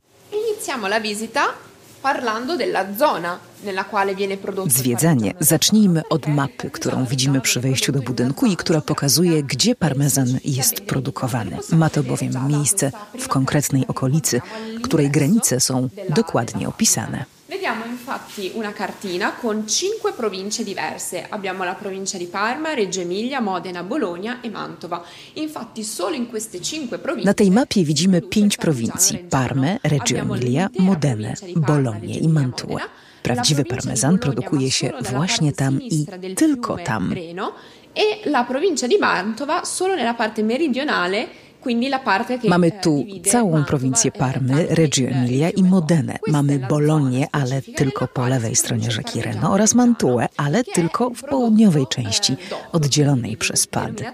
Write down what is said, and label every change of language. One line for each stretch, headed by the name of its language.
Italian: Iniziamo la visita parlando della zona nella quale viene prodotto.
Polish: Zwiedzanie. Zacznijmy od mapy, którą widzimy przy wejściu do budynku i która pokazuje, gdzie parmezan jest produkowany. Ma to bowiem miejsce w konkretnej okolicy, której granice są dokładnie opisane.
Italian: Vediamo infatti una cartina con cinque province diverse. Abbiamo la provincia di Parma, Reggio Emilia, Modena, Bologna e Mantova. Infatti solo in queste cinque province.
Polish: Na tej mapie widzimy pięć prowincji: Parme, Reggio Emilia, Modena, Bologna i Mantua. Prawdziwy parmezan produkuje się właśnie tam i tylko tam.
Italian: E la provincia di Mantova solo nella parte meridionale.
Polish: Mamy tu całą prowincję Parmy, Reggio Emilia i Modenę. Mamy Bolognę, ale tylko po lewej stronie rzeki Reno oraz Mantuę, ale tylko w południowej części, oddzielonej przez pad.